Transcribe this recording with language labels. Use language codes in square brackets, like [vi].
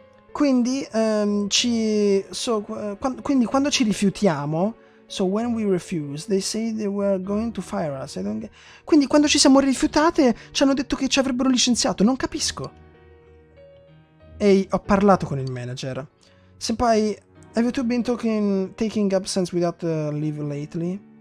[it] Quindi quando ci rifiutiamo, [en] so when we refuse, they say they were going to fire us. I don't get... [it] Quindi quando ci siamo rifiutate, ci hanno detto che ci avrebbero licenziato, non capisco. Ehi, ho parlato con il manager. [en] Senpai, have you two been taking absence without leave lately?